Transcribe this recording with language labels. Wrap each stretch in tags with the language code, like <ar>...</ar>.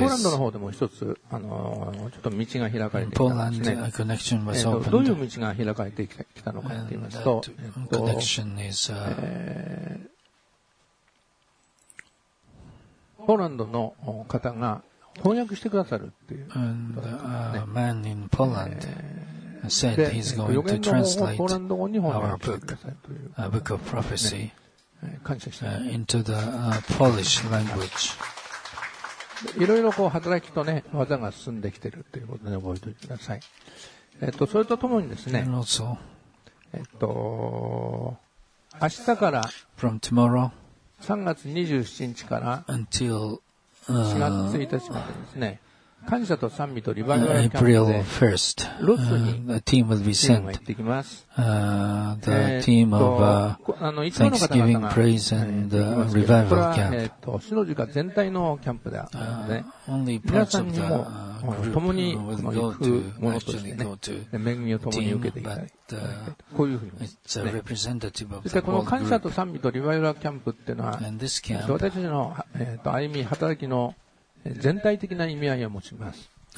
<ja>ポーランドの方でも一つ、ちょっと道が開かれてきたんですね。</ja> <en>Poland, connection was opened.</en> <ja>どういう道が開かれてきたのかと言いますと、</ja> <en>connection is,</en> <ja>ポーランドの方が翻訳してくださるっていう。</ja> <en>And a man in Poland said he's going to translate our book of prophecy. Into the Polish language.</en> <ja>いろいろこう働きとね技が進んできているということで覚えておいてください。それとともにですね。明日から。</ja> <en>From tomorrow.</en> <ja>3月27日から。</ja> <en>Until</en> <ja>4月1日までですね。感謝と賛美とリバイバルキャンプで。</ja> <en>April 1st.</en> <ja>ロスに。</ja> <en>The team will be sent.</en> <ja>チームが行ってきます。</ja> <en>The team of Thanksgiving praise and revival camp.</en> <ja>シノジカ全体のキャンプであって、ね、皆さんにも共に行くものとしてね、恵みを共に受けていきたい。こういうふうに言います、ね。そしてこの感謝と賛美とリバイバルキャンプっていうのは、</ja> <en>camp,</en> <ja>私たちの、歩み、働きの全体的な意味合いを持ちます。</ja>